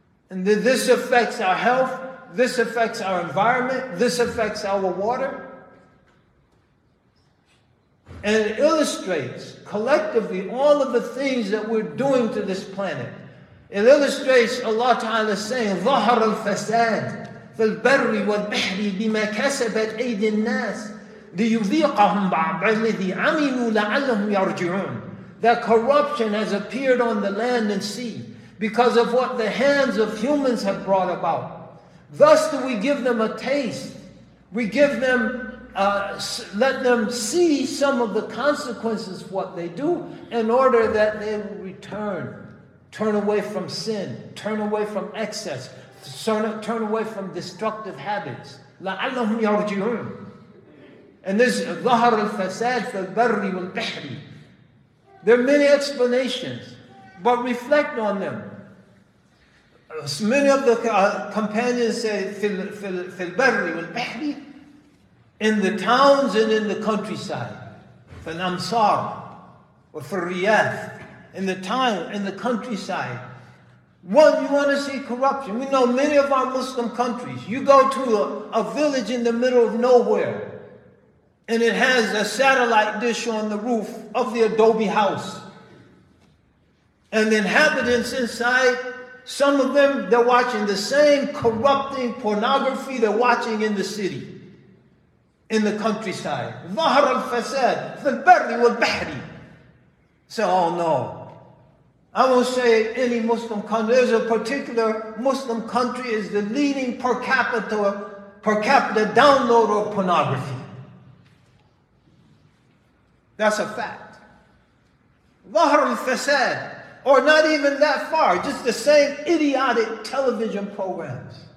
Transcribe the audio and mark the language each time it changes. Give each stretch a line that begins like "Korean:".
English: And then this affects our health, this affects our environment, this affects our water. And it illustrates collectively all of the things that we're doing to this planet. It illustrates Allah Ta'ala saying,
Arabic: ظَهَرَ الْفَسَادِ فِي الْبَرِّ وَالْبَحْرِ بِمَا كَسَبَتْ أَيْدِ النَّاسِ لِيُذِيقَهُمْ بَعْضَ الَّذِي عَمِلُوا لَعَلَّهُمْ يَرْجِعُونَ.
English: That corruption has appeared on the land and sea because of what the hands of humans have brought about. Thus do we give them a taste. We give them, let them see some of the consequences of what they do in order that they will return. Turn away from sin, turn away from excess, turn away from destructive habits.
Arabic: لَعَلَّهُمْ يَرْجِعُونَ.
English: And this
Arabic: ظهر الفساد في البر والبحر.
English: There are many explanations, but reflect on them. Many of the companions say
Arabic: في البر والبحر,
English: in the towns and in the countryside.
Arabic: في الأمصار وفي الرياض.
English: In the town, in the countryside. What, you want to see corruption? We know many of our Muslim countries. You go to a village in the middle of nowhere, and it has a satellite dish on the roof of the adobe house. And the inhabitants inside, some of them, they're watching the same corrupting pornography they're watching in the city, in the countryside.
Arabic: ظهر الفساد في البر والبحر.
English: So, oh no. I won't say any Muslim country. There's a particular Muslim country is the leading per capita downloader of pornography. That's a fact.
Arabic: ظهر الفساد,
English: or not even that far, just the same idiotic television programs.